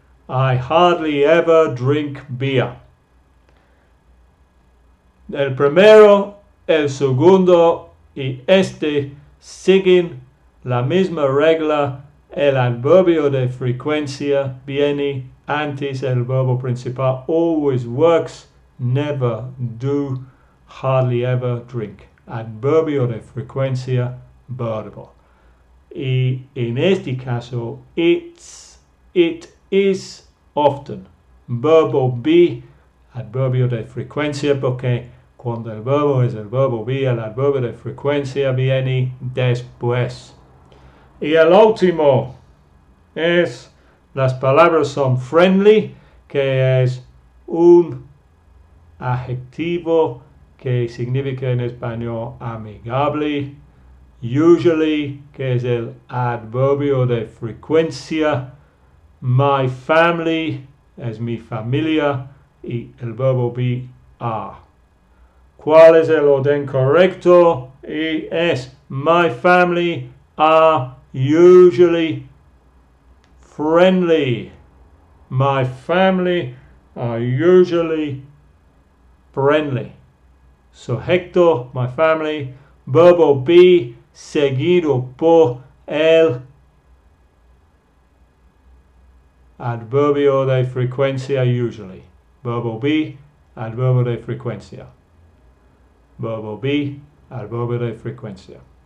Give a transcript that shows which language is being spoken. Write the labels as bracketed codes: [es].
[en] I hardly ever drink beer. [es] El primero, el segundo y este siguen la misma regla. El adverbio de frecuencia viene antes del verbo principal. [en] Always works, never do, hardly ever drink. [es] Adverbio de frecuencia, verbo. Y en este caso, [en] it is often. [es] Verbo be, adverbio de frecuencia, porque cuando el verbo es el verbo be, el adverbio de frecuencia viene después. Y el último es, las palabras son friendly, que es un adjetivo que significa en español amigable. Usually, que es el adverbio de frecuencia. My family es mi familia. Y el verbo be are. ¿Cuál es el orden correcto? Y es, [en] my family are usually friendly. My family are usually friendly. Sujeto, my family. [es] Verbo be, seguido por el adverbio de frecuencia, usually. Verbo be, adverbio de frecuencia. Verbo be, adverbio de frecuencia.